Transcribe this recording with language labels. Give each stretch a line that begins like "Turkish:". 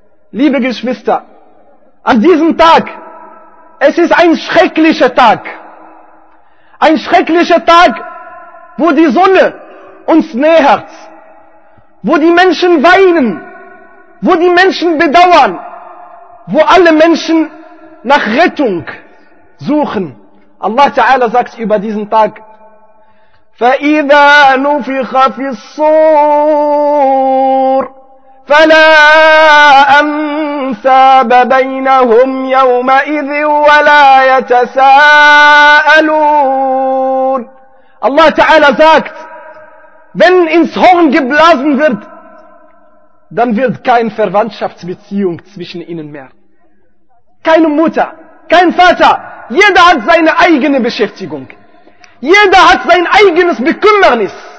German: Liebe Geschwister, an diesem Tag, es ist ein schrecklicher Tag. Ein schrecklicher Tag, wo die Sonne uns nähert, wo die Menschen weinen, wo die Menschen bedauern, wo alle Menschen nach Rettung suchen. Allah Ta'ala sagt über diesen Tag,
Arabic: فَإِذَا نُفِخَ فِي الصُّورِ فَلَا أَنْسَابَ بَيْنَهُمْ يَوْمَئِذٍ وَلَا يَتَسَاءَلُونَ.
German: Allah Ta'ala sagt, wenn ins Horn geblasen wird, dann wird keine Verwandtschaftsbeziehung zwischen ihnen mehr. Keine Mutter, kein Vater. Jeder hat seine eigene Beschäftigung. Jeder hat sein eigenes Bekümmernis.